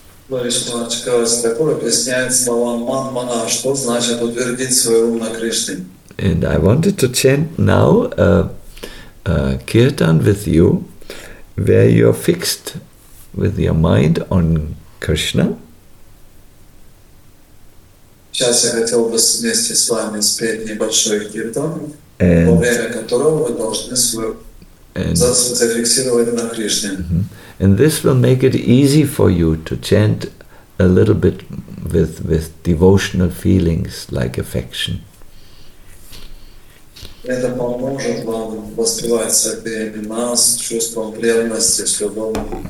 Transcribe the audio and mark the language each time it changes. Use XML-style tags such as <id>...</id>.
<en>And I wanted to chant now a kirtan with you where you're fixed with your mind on Krishna.</en> <ru>Сейчас я хотел бы вместе с вами спеть небольшой киртан, во время которого вы должны зафиксировать на Кришне.</ru> <en>And this will make it easy for you to chant a little bit with devotional feelings, like affection.</en> <ru>Это поможет вам воспевать с обеими нас, чувством преданности, с любовью.</ru>